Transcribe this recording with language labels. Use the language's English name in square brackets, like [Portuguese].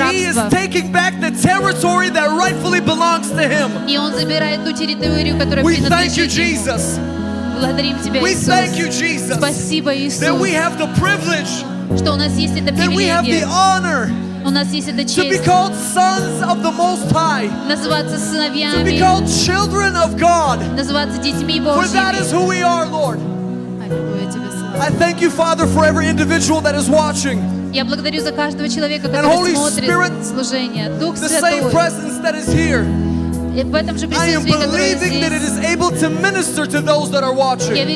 [English] And he is taking back the territory that rightfully belongs to him. [Russian] И он забирает ту территорию, которая принадлежит ему. Благодарим тебя, Иисус. [English] We thank you, Jesus. [Russian] Спасибо, Иисус. [English] That we have the privilege. [Russian] Что у нас есть это привилегия. [English] That we have the honor. [Russian] У нас есть эта честь. [English] To be called sons of the Most High. [Russian] Называться сыновьями. [English] To be called children of God. [Russian] Называться детьми Божьими. [English] For that is who we are, Lord. [Russian] Аллилуйя. [English] I thank you, Father, for every individual that is watching. [Russian] Я благодарю за каждого человека, который смотрит служение. Дух Святой. [English] The same presence that is here. I am believing that it is able to minister to those that are watching.